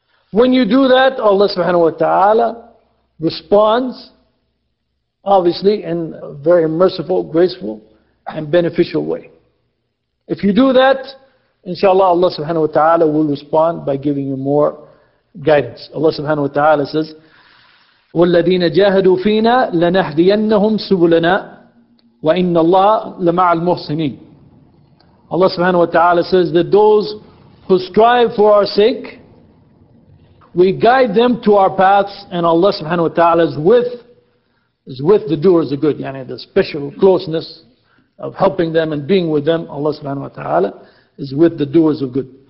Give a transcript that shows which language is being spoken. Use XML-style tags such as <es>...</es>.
<en>When you do that, Allah subhanahu wa ta'ala responds, obviously, in a very merciful, graceful, and beneficial way. If you do that, inshallah, Allah subhanahu wa ta'ala will respond by giving you more guidance. Allah subhanahu wa ta'ala says,</en> <ar>وَالَّذِينَ جَاهَدُوا فِينَا لَنَهْدِيَنَّهُمْ سُبُلَنَا وَإِنَّ اللَّهَ لَمَعَ الْمُحْسِنِينَ.</ar> <en>Allah subhanahu wa ta'ala says that those who strive for our sake, we guide them to our paths, and Allah subhanahu wa ta'ala is with the doers of good. Yani the special closeness of helping them and being with them, Allah subhanahu wa ta'ala is with the doers of good.</en>